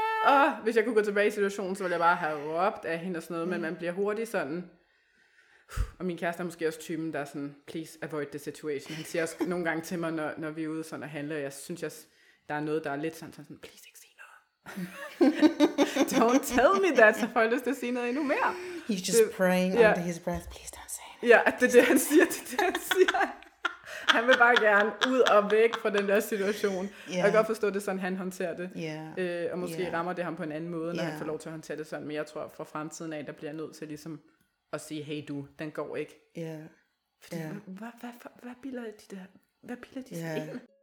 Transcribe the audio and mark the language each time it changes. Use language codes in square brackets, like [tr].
[da] Og hvis jeg kunne gå tilbage i situationen, så ville jeg bare have råbt af hende og sådan noget. Mm. Men man bliver hurtigt sådan. Og min kæreste er måske også typen, der er sådan, [en] please avoid the situation. [da] Han siger også nogle gange til mig, når vi er ude sådan og handler. Jeg synes også, der er noget, der er lidt sådan, please ikke sige noget. [en] Don't tell me that, [da] så får jeg lyst til at sige noget endnu mere. [en] He's just praying under his breath, please don't say anything. [da] Ja, det er det, han siger. Han vil bare gerne ud og væk fra den der situation. Yeah. Jeg kan godt forstå, det sådan, han håndterer det. [en] Yeah. [da] Og måske rammer det ham på en anden måde, når han får lov til at håndtere det sådan. Men jeg tror, fra fremtiden af, der bliver nødt til ligesom at sige, hey du, den går ikke. [en] Yeah. [da] Fordi, hvad bilder de der? Hvad bilder de sig ind?